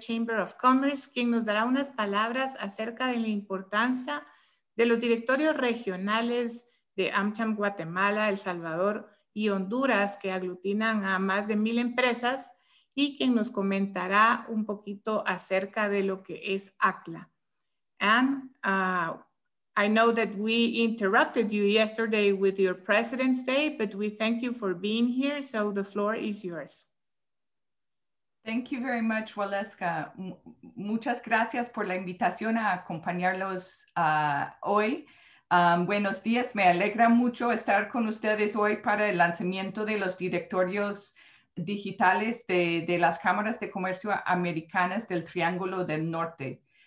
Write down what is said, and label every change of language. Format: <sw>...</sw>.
<en>Chamber of Commerce,</en> <es>quien nos dará unas palabras acerca de la importancia de los directorios regionales de AmCham Guatemala, El Salvador y Honduras, que aglutinan a más de 1,000 empresas, y quien nos comentará un poquito acerca de lo que es ACLA.</es> <en>Anne, I know that we interrupted you yesterday with your President's Day, but we thank you for being here, so the floor is yours. Thank you very much, Waleska.</en> <es>Muchas gracias por la invitación a acompañarlos hoy. Buenos días, me alegra mucho estar con ustedes hoy para el lanzamiento de los directorios digitales de las Cámaras de Comercio Americanas del Triángulo del Norte.</es>